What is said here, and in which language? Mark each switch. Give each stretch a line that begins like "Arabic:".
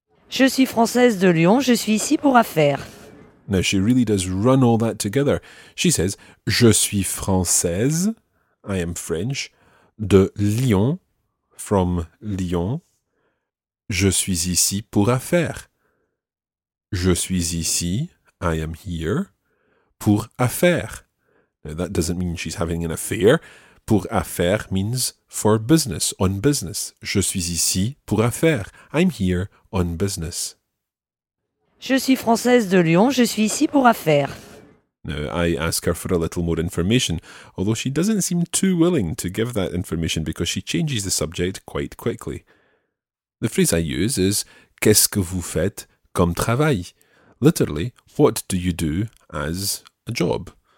French: Je suis française de Lyon, je suis ici pour affaires.
English: Now she really does run all that together. She says,
French: je suis française,
English: I am French,
French: de Lyon,
English: from Lyon.
French: Je suis ici pour affaires. Je suis ici,
English: I am here,
French: pour affaires.
English: Now that doesn't mean she's having an affair.
French: Pour affaires
English: means for business, on business.
French: Je suis ici pour affaires.
English: I'm here on business.
French: Je suis française de Lyon, je suis ici pour affaires.
English: Now I ask her for a little more information, although she doesn't seem too willing to give that information because she changes the subject quite quickly. The phrase I use is
French: qu'est-ce que vous faites comme travail?
English: Literally, what do you do as a job?